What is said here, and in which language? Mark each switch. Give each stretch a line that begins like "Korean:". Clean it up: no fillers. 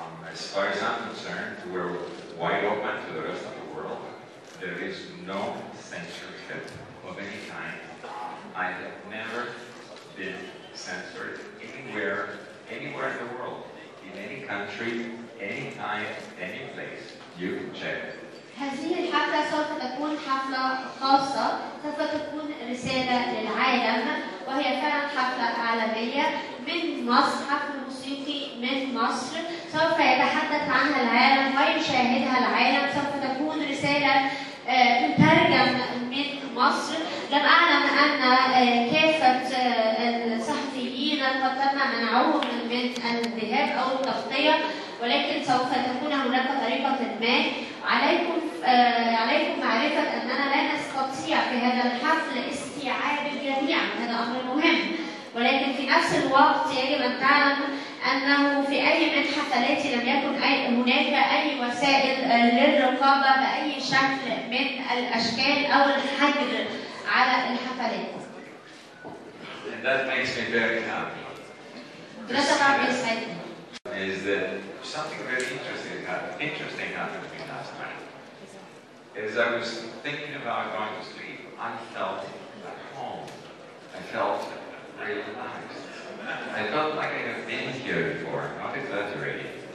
English: As far as I'm concerned, we're wide open to the rest of the world. There is no censorship of any kind. I have never been censored anywhere in the world, in any country, any time, any place. You can check.
Arabic: هذه الحفلة سوف تكون حفلة خاصة، سوف تكون رسالة للعالم، وهي فعلا حفلة عالمية من مصر، حفل موسيقي من مصر، سوف يتحدث عنها العالم ويشاهدها العالم، سوف تكون رسالة تترجم من مصر. لم أعلم أن كافة الصحفيين قد تم منعهم من الذهاب أو التغطية، ولكن سوف تكون هناك طريقة ما. عليكم معرفة أننا لا نستطيع في هذا الحفل استيعاب الجميع، هذا أمر مهم، ولكن في نفس الوقت يجب أن تعلم أنه في أي من حفلاتي لم يكن هناك أي وسائل للرقابة بأي شكل من الأشكال أو الحجر على الحفلات.
English: And that makes me very happy. Is that something very interesting happened to me last night. As I was thinking about going to sleep, I felt at home. I felt relaxed. I felt like I had been here before, not exaggerating.